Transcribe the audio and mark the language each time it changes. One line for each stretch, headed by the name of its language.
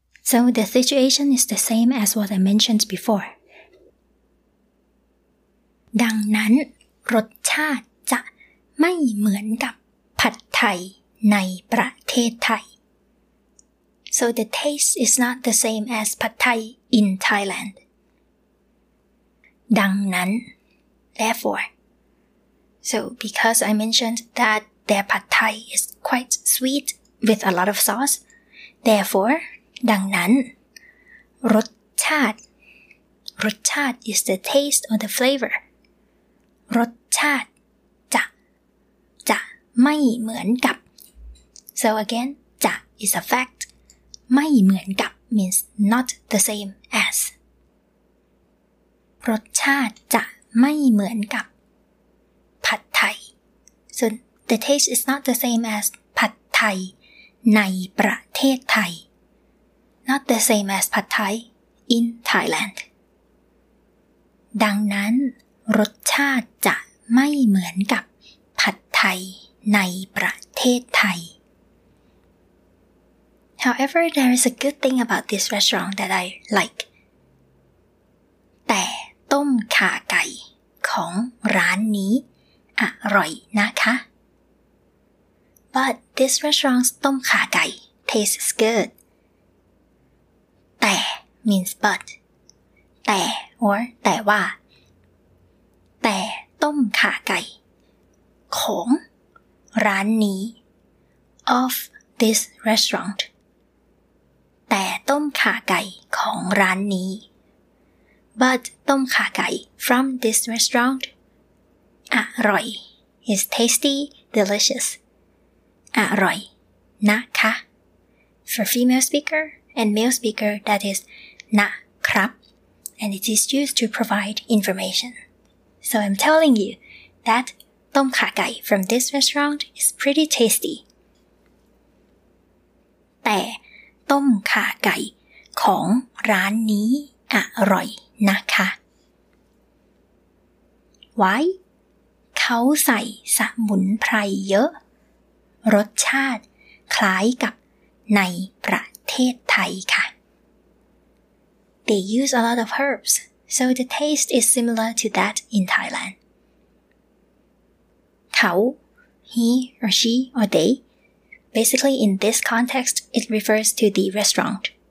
English: So the situation is the same as what I mentioned before.
Thai: ดังนั้นรสชาติจะไม่เหมือนกับผัดไทยในประเทศไทย
English: So the taste is not the same as pad Thai in Thailand.
Thai: ดังนั้น
English: Therefore. So because I mentioned thatTheir pad Thai is quite sweet with a lot of sauce. Therefore,
Thai: ดังนั้น รสชาติ
English: รสชาติ is the taste or the flavor.
Thai: รสชาติจะไม่เหมือนกับ
English: So again, จะ is a fact. ไม่เหมือนกับ means not the same as.
Thai: รสชาติจะไม่เหมือนกับผัดไทย
English: So the taste is not the same as ผัดไทย
Thai: ในประเทศไทย
English: Not the same as ผัดไทย in Thailand.
Thai: ดังนั้นรสชาติจะไม่เหมือนกับผัดไทยในประเทศไทย
English: However, there is a good thing about this restaurant that I like.
Thai: แต่ต้มข่าไก่ของร้านนี้อร่อยนะคะ
English: But this restaurant's ต้มข่าไก่ tastes good. แต่ means but.
Thai: แต่ or แต่ว่า แต่ต้มข่าไก่ของร้านนี้
English: of this restaurant.
Thai: แต่ต้มข่าไก่ของร้านนี้
English: But ต้มข่าไก่ from this restaurant
Thai: อร่อย
English: is tasty delicious
Thai: อร่อยนะคะ
English: For female speaker and male speaker that is
Thai: นะครับ
English: and it is used to provide information So I'm telling you that ต้มข่าไก่ from this restaurant is pretty tasty
Thai: แต่ต้มข่าไก่ของร้านนี้อร่อยนะคะ
English: Why?
Thai: เขาใส่สมุนไพรเยอะรสชาติคล้ายกับในประเทศไทยค่ะ
English: They use a lot of herbs, so the taste is similar to that in Thailand. เขา he or she or they Basically, in this context, it refers to the restaurant.